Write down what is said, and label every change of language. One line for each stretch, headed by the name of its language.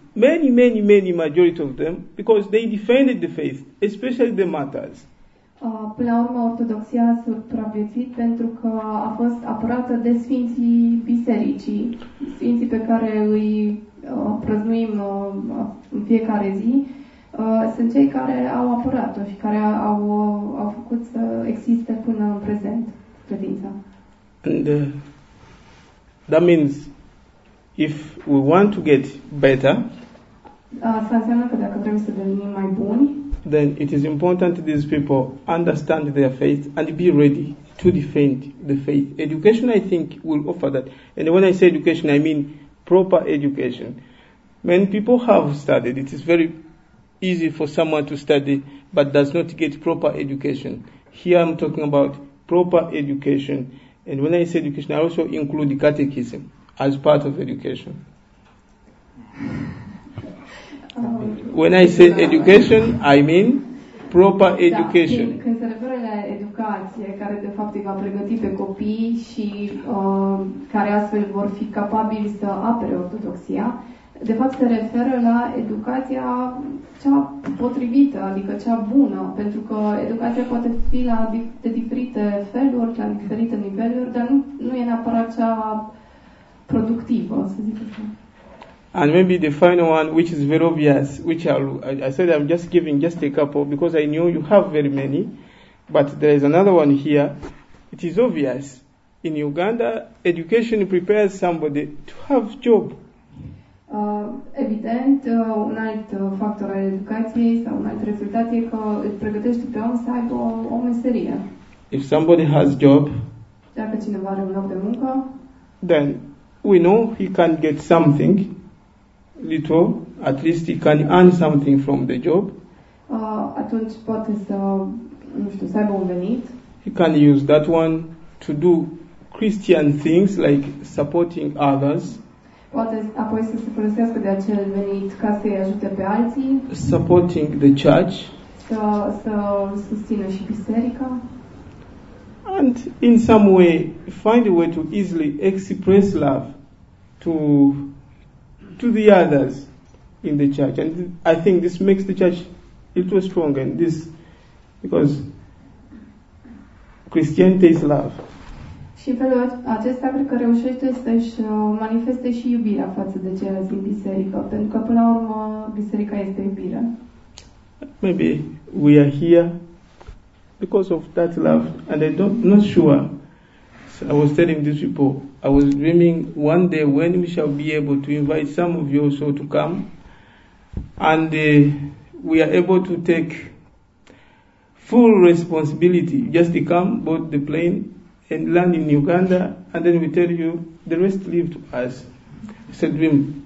English: Many, many, many majority of them, because they defended the faith, especially the martyrs.
Romanian: Până la urmă, ortodoxia a supraviețuit pentru că a fost apărată de sfinții bisericii, sfinții pe care îi prăznuim în fiecare zi, sunt cei care au apărat-o și care au făcut să existe până în prezent credința.
English: And that means if we want to get better,
Romanian: asta înseamnă că dacă vrem să devenim mai buni,
English: then it is important that these people understand their faith and be ready to defend the faith. Education, I think, will offer that. And when I say education, I mean proper education. Many people have studied. It is very easy for someone to study but does not get proper education. Here I'm talking about proper education. And when I say education, I also include catechism as part of education. When I say education, I mean proper education.
Romanian: Când se referă la educație, educație, care de fapt îi va pregăti pe copii și care astfel vor fi capabili să apere ortodoxia, de fapt se referă la educația cea potrivită, adică cea bună, pentru că educația poate fi la de diferite feluri, la diferite niveluri, dar nu e neapărat cea productivă, să zic așa.
English: And maybe the final one, which is very obvious, which I said I'm just giving just a couple because I knew you have very many, but there is another one here. It is obvious. In Uganda, education prepares somebody to have job.
Romanian: Evident, un alt factor al educației sau un alt rezultat e că îl pregătește pe om să aibă o meserie.
English: If somebody has job,
Romanian: dacă cineva are un loc de muncă,
English: then we know he can get something. Little, at least he can earn something from the job.
Romanian: Atunci poate să, nu știu, să aibă un venit.
English: He can use that one to do Christian things like supporting others.
Romanian: Poate apoi să se folosească de acel venit ca să-i ajute pe alții.
English: Supporting the church.
Romanian: Să susțină și biserica.
English: And in some way, find a way to easily express love to the others in the church, and I think this makes the church a little stronger. And this, because Christianity is love.
Romanian: Și în felul acesta cred că reușește să-și manifeste și iubirea față de ceilalți din biserică, pentru că până la urmă biserica este iubire.
English: Maybe we are here because of that love, and I don't not sure. I was telling these people, I was dreaming one day when we shall be able to invite some of you also to come, and we are able to take full responsibility, just to come, board the plane, and land in Uganda, and then we tell you, the rest leave to us. It's a dream.